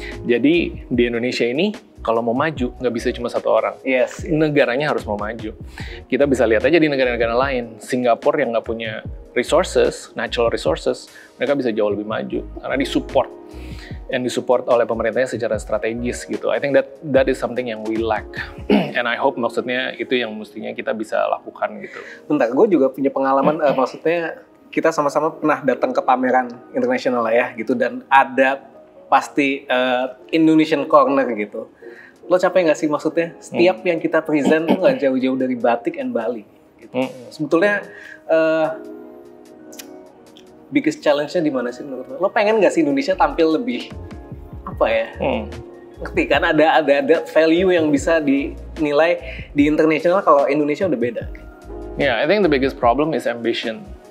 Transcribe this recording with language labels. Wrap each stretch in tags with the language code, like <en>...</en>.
<id>Jadi di Indonesia ini kalau mau maju nggak bisa cuma satu orang.</id> <en>Yes.</en> <id>Negaranya harus mau maju. Kita bisa lihat aja di negara-negara lain, Singapura yang nggak punya resources,</id> <en>natural resources,</en> <id>mereka bisa jauh lebih maju karena disupport.</id> <en>And</en> <id>disupport oleh pemerintahnya secara strategis gitu.</id> <en>I think that is something</en> <id>yang</id> <en>we lack. And I hope</en> <id>maksudnya itu yang mestinya kita bisa lakukan gitu. Bentar, gue juga punya pengalaman, maksudnya kita sama-sama pernah datang ke pameran internasional lah ya gitu. Dan ada pasti Indonesian Corner gitu. Lo capek gak sih maksudnya? Setiap yang kita present tuh gak jauh-jauh dari batik</id> <en>and</en> <id>Bali. Gitu. Sebetulnya...</id> <en>biggest challenge-</en> <id>nya di mana sih menurut lo? Lo pengen nggak sih Indonesia tampil lebih apa ya? Ngerti kan ada value yang bisa dinilai di internasional kalau Indonesia udah beda.</id> <en>Yeah, I think the biggest problem is ambition.</en>